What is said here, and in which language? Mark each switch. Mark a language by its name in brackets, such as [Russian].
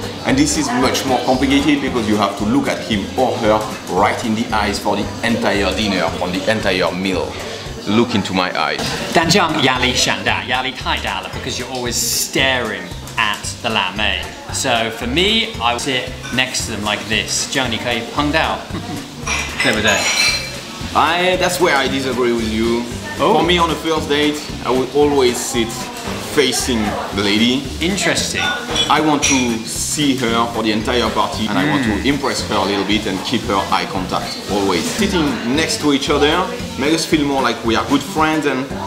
[English] And this is much more complicated because you have to look at him or her right in the eyes for the entire dinner, for the entire meal. Look into my eyes. [Chinese] 但这样压力山大，压力太大了 [English] because you're always staring at the [Chinese] 辣妹. [English] So for me, I sit next to them like this. [Chinese] 这样你可以碰到，对不对？ [English] That's where I disagree with you. Oh. For me, on a first date, I would always sit facing the lady. Interesting. I want to see her for the entire party, and I want to impress her a little bit and keep her eye contact always. Sitting next to each other makes us feel more like we are good friends, and